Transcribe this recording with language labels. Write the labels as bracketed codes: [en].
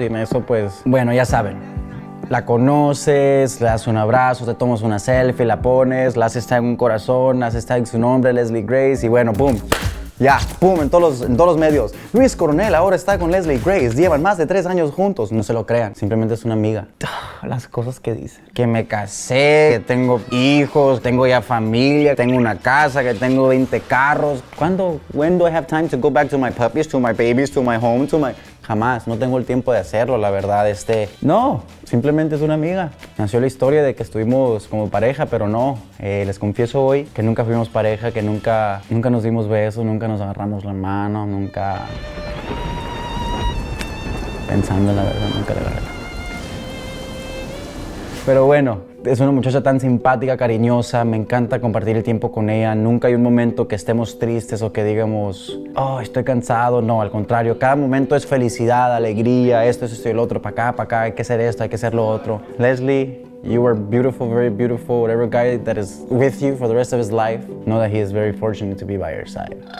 [es] Y en eso, pues, bueno, ya saben. La conoces, le das un abrazo, te tomas una selfie, la pones, la haces tag en un corazón, la haces tag en su nombre, Leslie Grace, y bueno, boom. Ya, pum, en todos los medios. Luis Coronel ahora está con Leslie Grace. Llevan más de 3 años juntos. No se lo crean. Simplemente es una amiga. Las cosas que dice. Que me casé, que tengo hijos, tengo ya familia, tengo una casa, que tengo 20 carros. ¿Cuándo? [en] When do I have time to go back to my puppies, to my babies, to my home, to my... [es] Jamás, no tengo el tiempo de hacerlo, la verdad, no, simplemente es una amiga. Nació la historia de que estuvimos como pareja, pero no, les confieso hoy que nunca fuimos pareja, que nunca nos dimos besos, nunca nos agarramos la mano, nunca... Pensando en la verdad, nunca la verdad. Pero bueno, es una muchacha tan simpática, cariñosa, me encanta compartir el tiempo con ella. Nunca hay un momento que estemos tristes o que digamos, oh, estoy cansado. No, al contrario, cada momento es felicidad, alegría, esto y el otro, para acá, hay que hacer esto, hay que hacer lo otro. [en] Leslie, you are beautiful, very beautiful, whatever guy that is with you for the rest of his life, know that he is very fortunate to be by your side.